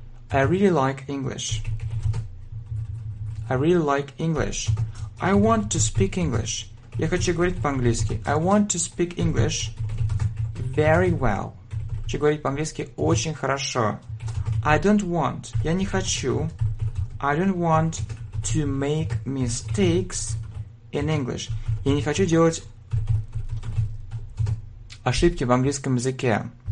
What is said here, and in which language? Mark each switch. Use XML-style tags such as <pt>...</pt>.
<en>I really like English. I really like English. I want to speak English.</en> <ru>Я хочу говорить по-английски.</ru> <en>I want to speak English very well.</en> <ru>Хочу говорить по-английски очень хорошо.</ru> <en>I don't want.</en> <ru>Я не хочу.</ru> <en>I don't want to make mistakes in English.</en> <ru>Я не хочу делать ошибки в английском языке.</ru>